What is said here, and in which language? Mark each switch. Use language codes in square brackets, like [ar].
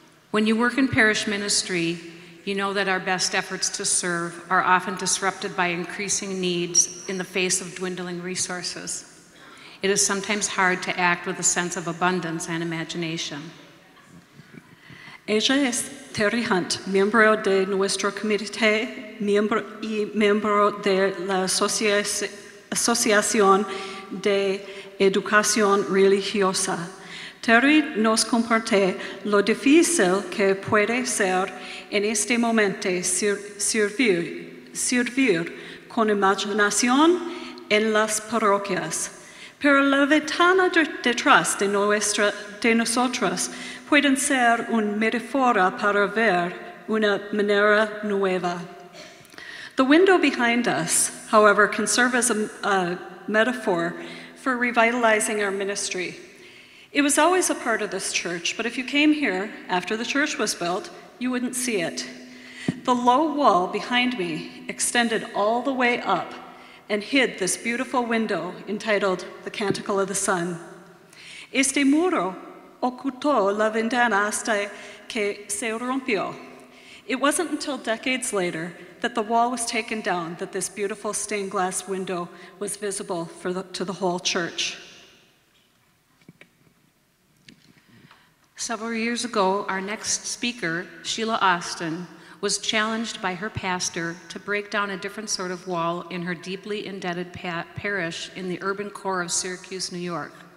[en] When you work in parish ministry, you know that our best efforts to serve are often disrupted by increasing needs in the face of dwindling resources. It is sometimes hard to act with a sense of abundance and imagination. [es] Ella es Terry Hunt, miembro de nuestro comité, miembro y miembro de la Asociación de Educación Religiosa. Terry nos comparte lo difícil que puede ser en este momento servir con imaginación en las parroquias. Pero la ventana detrás de nosotros puede ser una metáfora para ver una manera nueva. [en] The window behind us, however, can serve as a metaphor for revitalizing our ministry. It was always a part of this church, but if you came here after the church was built, you wouldn't see it. The low wall behind me extended all the way up and hid this beautiful window entitled The Canticle of the Sun. [es] Este muro ocultó la ventana hasta que se rompió. [en] It wasn't until decades later that the wall was taken down that this beautiful stained glass window was visible to the whole church. Several years ago, our next speaker, Sheila Austin, was challenged by her pastor to break down a different sort of wall in her deeply indebted parish in the urban core of Syracuse, New York.